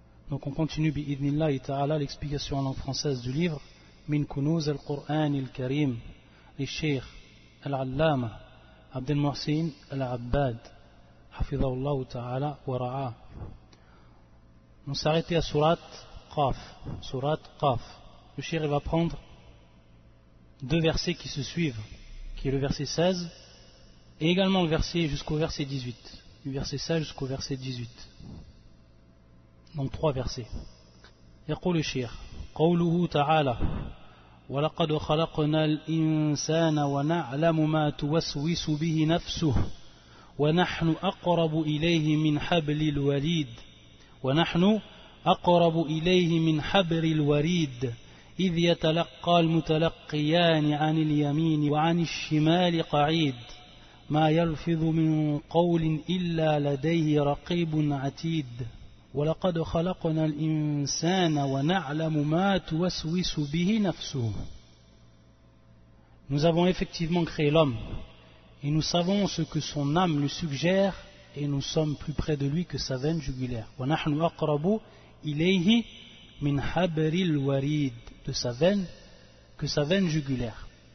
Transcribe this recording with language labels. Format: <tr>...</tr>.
<fr>Donc on continue</fr> <ar>بإذن الله تعالى</ar> <fr>l'explication en langue française du livre</fr> <ar>من كنوز القرآن الكريم للشيخ العلامة عبد المحسن العباد حفظه الله تعالى ورعاه.</ar> <fr>On s'arrête à surat Qaf. Surat Qaf. Le shir va prendre deux versets qui se suivent, qui est le verset 16 et également le verset jusqu'au verset 18. Du verset 16 jusqu'au verset 18. Donc trois versets.</fr> <ar>يقول الشيخ قوله تعالى ولقد خلقنا الإنسان ونعلم ما توسوس به نفسه ونحن أقرب إليه من حبل الوريد ونحن أقرب إليه من حبر الوريد إذ يتلقى المتلقيان عن اليمين وعن الشمال قعيد ما يلفظ من قول إلا لديه رقيب عتيد ولقد خلقنا الإنسان ونعلم ما توسوس به نفسه.</ar> <fr>Nous avons effectivement créé l'homme et nous savons ce que son âme lui suggère et nous sommes plus près de lui que sa veine jugulaire.</fr> <ar>ونحن أقرب إليه من حبر الوريد,</ar> <fr>de sa veine que sa veine jugulaire.</fr>